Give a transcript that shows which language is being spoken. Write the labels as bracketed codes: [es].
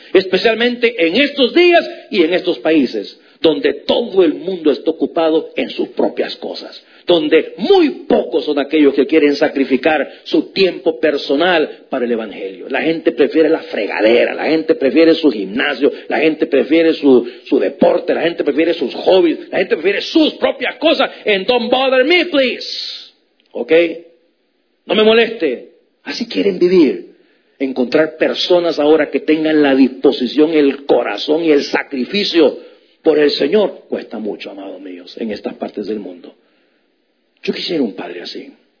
[es] Especialmente en estos días y en estos países, donde todo el mundo está ocupado en sus propias cosas, donde muy pocos son aquellos que quieren sacrificar su tiempo personal para el Evangelio. La gente prefiere la fregadera, la gente prefiere su gimnasio, la gente prefiere su deporte, la gente prefiere sus hobbies, la gente prefiere sus propias cosas. [en] And don't bother me, please. [es] ¿Ok? No me moleste. Así quieren vivir. Encontrar personas ahora que tengan la disposición, el corazón y el sacrificio por el Señor, cuesta mucho, amados míos, en estas partes del mundo. Yo quisiera un padre así.